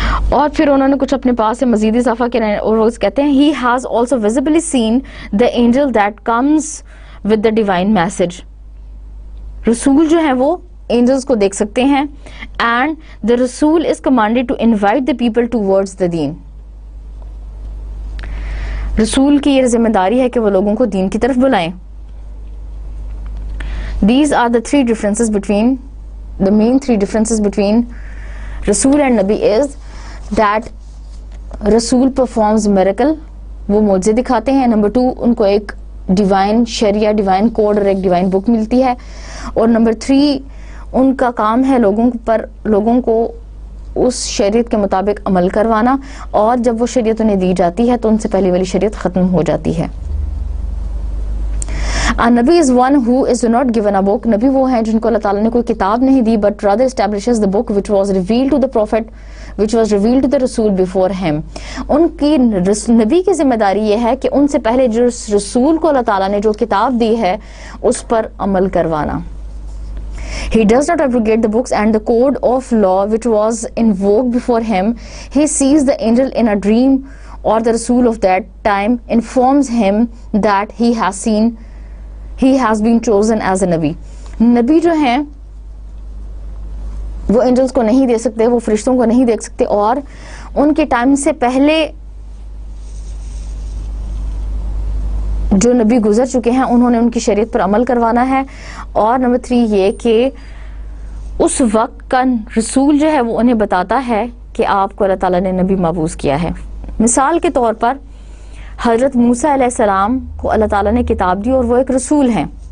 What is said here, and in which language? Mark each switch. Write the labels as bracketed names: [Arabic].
[Urdu] اور پھر انہوں نے کچھ اپنے پاس سے مزید اضافہ کیا اور وہ کہتے ہیں [English] He has also visibly seen the angel that comes with the divine message. [Urdu] رسول جو ہیں وہ اینجلس کو دیکھ سکتے ہیں. [English] And the رسول is commanded to invite the people towards the دین. [Urdu] رسول کی یہ ذمہ داری ہے کہ وہ لوگوں کو دین کی طرف بلائیں. [English] these are the three differences between the main three differences between رسول and نبی is that رسول performs miracle, [Urdu] وہ معجزے دکھاتے ہیں. نمبر ٹو, ان کو ایک ڈیوائن شریعہ, ڈیوائن کوڈ اور ایک ڈیوائن بک ملتی ہے. اور نمبر تھری, ان کا کام ہے لوگوں کو اس شریعت کے مطابق عمل کروانا, اور جب وہ شریعت انہیں دی جاتی ہے تو ان سے پہلی والی شریعت ختم ہو جاتی ہے. [English] نبی is one who is not given a book. [Urdu] نبی وہ ہیں جن کو اللہ تعالیٰ نے کوئی کتاب نہیں دی, [English] But rather establishes the book which was reveal to the prophet which was reveal to the رسول before him. [Urdu] ان کی نبی کی ذمہ داری یہ ہے کہ ان سے پہلے جو رسول کو اللہ تعالیٰ نے جو کتاب دی ہے اس پر عمل کروانا. [English] He does not abrogate the books and the code of law which was invoked before him. He sees the angel in a dream or the rasul of that time informs him that he has been chosen as a nabi. [Urdu] Nabi jo hain wo angels ko nahi de sakte, wo farishton ko nahi dekh sakte, aur unke time se pehle جو نبی گزر چکے ہیں انہوں نے ان کی شریعت پر عمل کروانا ہے. اور نمبر تھری یہ کہ اس وقت کا رسول جو ہے وہ انہیں بتاتا ہے کہ آپ کو اللہ تعالیٰ نے نبی مبعوث کیا ہے. مثال کے طور پر حضرت موسیٰ علیہ السلام کو اللہ تعالیٰ نے کتاب دی اور وہ ایک رسول ہیں,